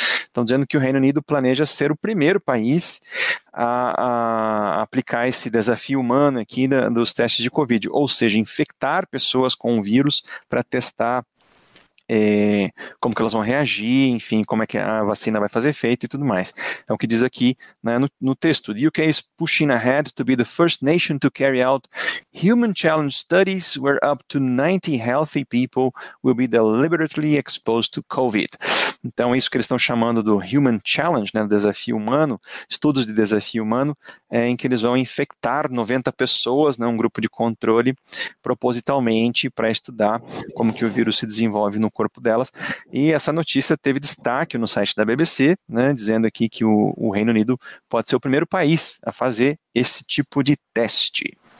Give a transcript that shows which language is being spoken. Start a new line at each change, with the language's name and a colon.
Portuguese: Estão dizendo que o Reino Unido planeja ser o primeiro país a aplicar esse desafio humano aqui dos testes de Covid, ou seja, infectar pessoas com o vírus para testar como que elas vão reagir, enfim, como é que a vacina vai fazer efeito e tudo mais. É o que diz aqui, né, no texto.
English: The UK is pushing ahead to be the first nation to carry out human challenge studies where up to 90 healthy people will be deliberately exposed to COVID.
Portuguese: Então, isso que eles estão chamando do human challenge, né, desafio humano, estudos de desafio humano, em que eles vão infectar 90 pessoas, né, um grupo de controle, propositalmente, para estudar como que o vírus se desenvolve no corpo delas. E essa notícia teve destaque no site da BBC, né, dizendo aqui que o Reino Unido pode ser o primeiro país a fazer esse tipo de teste.